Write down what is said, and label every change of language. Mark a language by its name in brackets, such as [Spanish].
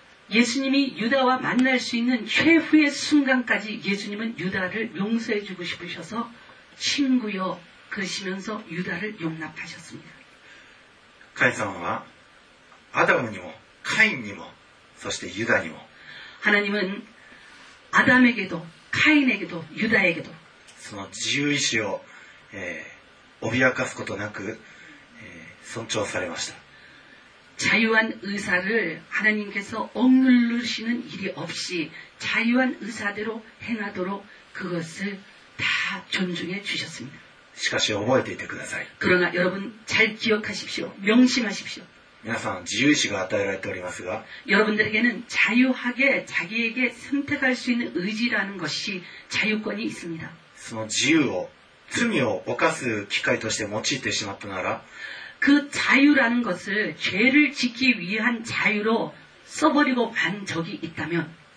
[Korean] 예수님이유다와만날수있는최후의순간까지예수님은유다를용서해주고싶으셔서친구요그러시면서유다를용납하셨습니다 [Japanese] 카인様は아담にも카인にもそして유다にも [Korean] 하나님은아담에게도카인에게도유다에게도 [Japanese] その自由意志を、脅かすことなく、尊重されました。 [Korean] 자유한의사를하나님께서억누르시는일이없이자유한의사대로행하도록그것을다존중해주셨습니다 [Japanese] しかし覚えていてください。 [Korean] 그러나여러분잘기억하십시오명심하십시오 [Japanese] 皆さん自由意志が与えられておりますが [Korean] 여러분들에게는자유하게자기에게선택할수있는의지라는것이자유권이있습니다 [Japanese] その自由を罪を犯す機会として用いてしまったなら [Korean] 그자유라는것을죄를지키기위한자유로써버리고간적이있다면